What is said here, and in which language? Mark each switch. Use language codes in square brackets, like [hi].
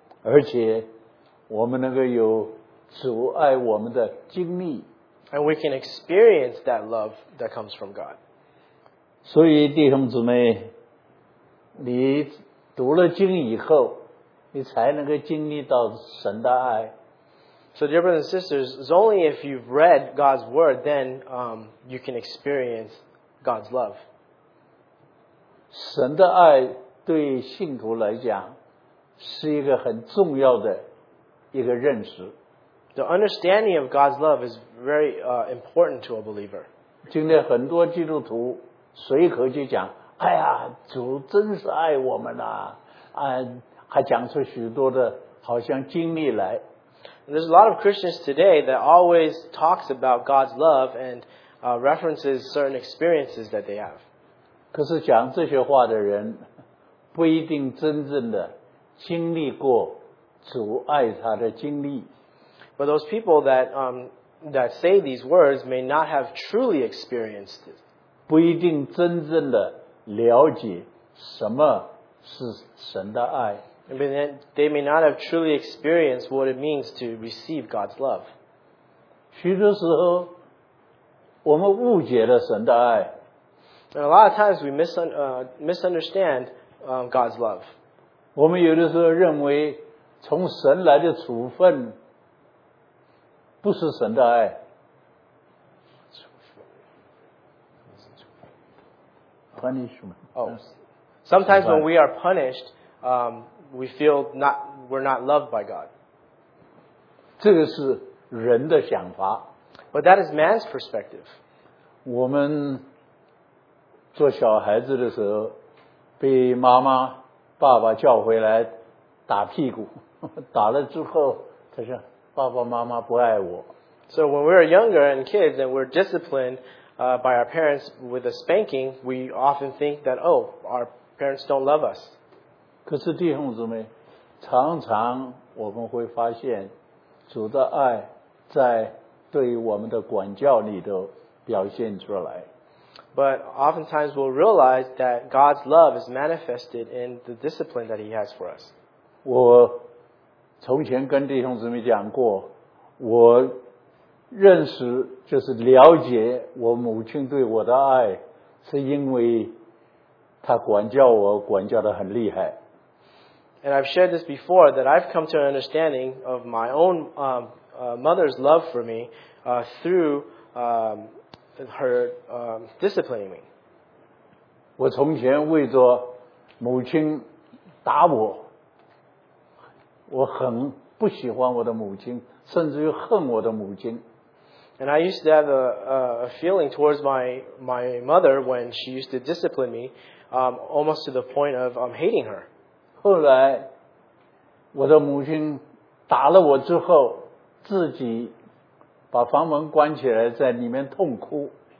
[zh] 而且我们能够有主爱我们的经历。 [en] And we can experience that love that comes from God. [zh] 所以弟兄姊妹你读了经以后，你才能够经历到神的爱。 [en] So dear brothers and sisters, it's only if you've read God's word, then you can experience God's love. [zh] 神的爱对信徒来讲是一个很重要的一个认识。 [en] The understanding of God's love is very important to a believer. [zh] 今天很多基督徒随口就讲，哎呀，主真是爱我们啊，还讲出许多的好像经历来。 [en] There's a lot of Christians today that always talks about God's love and references certain experiences that they have. [zh] 可是讲这些话的人不一定真正的经历过主爱他的经历。 [en] But those people that, that say these words may not have truly experienced it. [zh] 不一定真正的了解什么是神的爱。 [en] But they may not have truly experienced what it means to receive God's love. [zh] 许多时候我们误解了神的爱。 [en] And a lot of times we misunderstand God's love. [zh] 我们有的时候认为从神来的处分不是神的爱。 [en] Punishment. Oh. Sometimes when we are punished, we feel we're not loved by God. [zh] 这个是人的想法。 [en] But that is man's perspective. [zh] 我们做小孩子的时候被妈妈爸爸叫回来打屁股，打了之后他说爸爸妈妈不爱我。 [en] So when we are younger and kids and we're disciplined by our parents with a spanking, we often think that, oh, our parents don't love us. [zh] 可是弟兄姊妹，常常我们会发现主的爱在对我们的管教里头表现出来。 [en] But oftentimes we'll realize that God's love is manifested in the discipline that He has for us. [zh] 我从前跟弟兄姊妹讲过，我认识就是了解我母亲对我的爱，是因为她管教我，管教得很厉害。 [en] And I've shared this before that I've come to an understanding of my own mother's love for me through her disciplining me. [zh] 我从前为着母亲打我，我很不喜欢我的母亲，甚至于恨我的母亲。 [en] And I used to have a feeling towards my mother when she used to discipline me, almost to the point of hating her. [zh] 后来我的母亲打了我之后，自己把房门关起来，在里面痛哭。